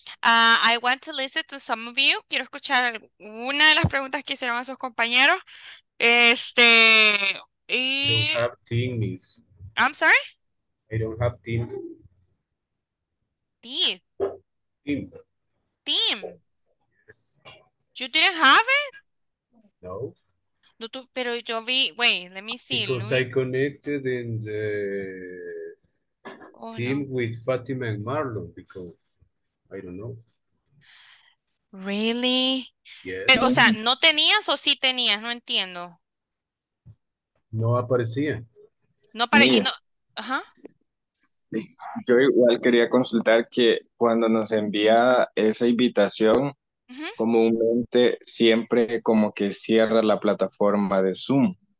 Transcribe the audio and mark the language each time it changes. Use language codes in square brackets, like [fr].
[en] I want to listen to some of you. [es] Quiero escuchar una de las preguntas que hicieron a sus compañeros. Y... [en] I don't have team, Miss. I'm sorry? I don't have team. Team. Team. You didn't have it? No. [es] No, tú, pero yo vi, [en] wait, let me see. Because I connected in the Oh, team no. With Fatima and Marlon, because I don't know. Really? Yes. [es] Pero, o sea, ¿no tenías o sí tenías? No entiendo. No aparecía. No aparecía. No. Ajá. Yo igual quería consultar que cuando nos envía esa invitación, comúnmente siempre como que cierra la plataforma de Zoom.